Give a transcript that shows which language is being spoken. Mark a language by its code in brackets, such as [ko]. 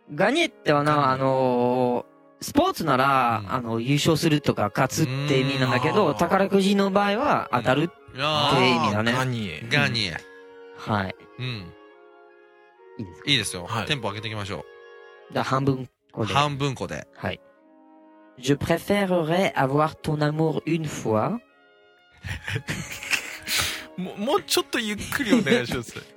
[ja] ガニエってはな、スポーツなら、うん、優勝するとか、勝つって意味なんだけど、宝くじの場合は、当たるって意味だね。ガニエ。ガニエ。はい。うん。いいですよ、はい、テンポ上げていきましょう。じゃあ半分個で、はい。 [fr] Je préférerais avoir ton amour une fois. [ja] もうちょっとゆっくりお願いします。